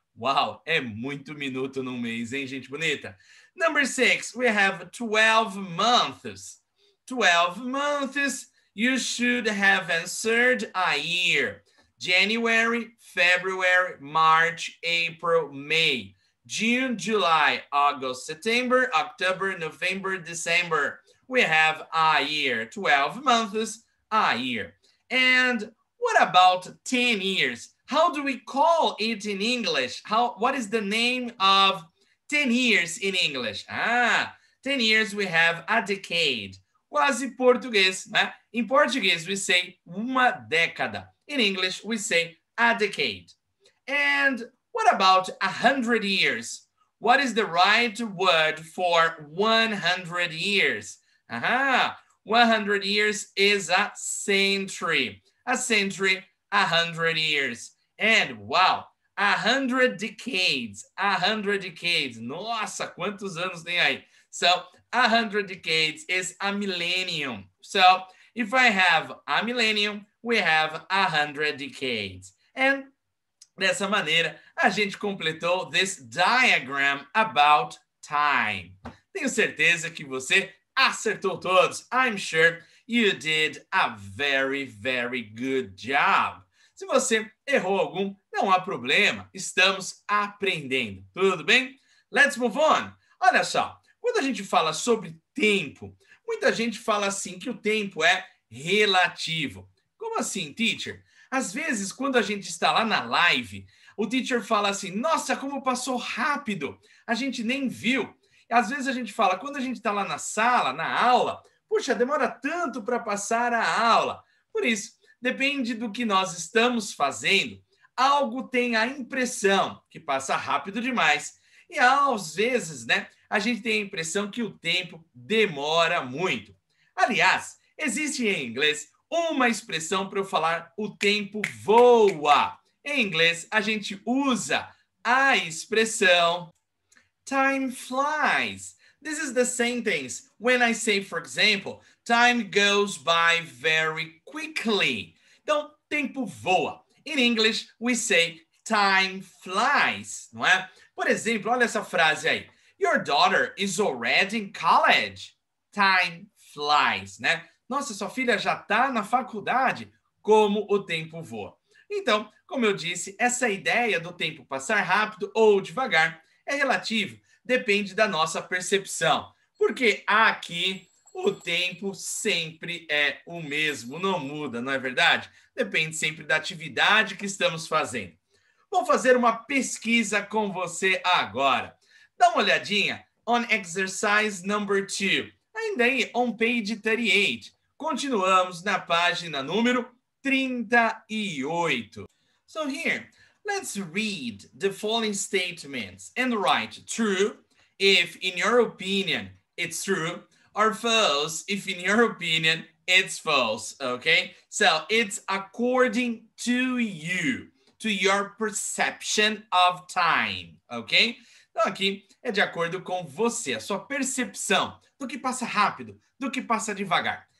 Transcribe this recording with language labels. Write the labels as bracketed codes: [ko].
[pt] Wow, é muito minuto num mês, hein, gente bonita? [en] Number 6, we have 12 months. 12 months, you should have answered a year. January, February, March, April, May. June, July, August, September, October, November, December. We have a year. 12 months, a year. And what about 10 years? How do we call it in English? What is the name of 10 years in English. Ah, 10 years we have a decade. [pt] Quase português, né? [en] In Portuguese we say [pt] uma década. [en] In English we say a decade. And what about 100 years? What is the right word for 100 years? Aha, 100 years is a century. A century, 100 years. And wow, 100 decades. 100 decades. [pt] Nossa, quantos anos tem aí? [en] So, 100 decades is a millennium. So, if I have a millennium, we have 100 decades. [pt] And dessa maneira, a gente completou [en] this diagram about time. [pt] Tenho certeza que você acertou todos. [en] I'm sure you did a very, very good job. [pt] Se você errou algum, não há problema. Estamos aprendendo. Tudo bem? [en] Let's move on. [pt] Olha só. Quando a gente fala sobre tempo, muita gente fala assim que o tempo é relativo. Como assim, teacher? Às vezes, quando a gente está lá na live, o teacher fala assim, nossa, como passou rápido, a gente nem viu. Às vezes a gente fala, quando a gente está lá na sala, na aula, puxa, demora tanto para passar a aula. Por isso, depende do que nós estamos fazendo, algo tem a impressão que passa rápido demais. E às vezes, né, a gente tem a impressão que o tempo demora muito. Aliás, existe em inglês uma expressão para eu falar o tempo voa. Em inglês, a gente usa a expressão time flies. [en] This is the sentence when I say, for example, time goes by very quickly. [pt] Então, tempo voa. [en] In English, we say time flies, [pt] não é? Por exemplo, olha essa frase aí. [en] Your daughter is already in college. Time flies, né? [pt] Nossa, sua filha já está na faculdade. Como o tempo voa. Então, como eu disse, essa ideia do tempo passar rápido ou devagar é relativo. Depende da nossa percepção. Porque aqui o tempo sempre é o mesmo. Não muda, não é verdade? Depende sempre da atividade que estamos fazendo. Vou fazer uma pesquisa com você agora. Dá uma olhadinha [en] on exercise number 2. [pt] Ainda aí, [en] on page 38. [pt] Continuamos na página número 38. [en] So here, let's read the following statements and write true if in your opinion it's true or false if in your opinion it's false, okay? So it's according to you. To your perception of time, ok? [pt] Então, aqui é de acordo com você, a sua percepção do que passa rápido, do que passa devagar.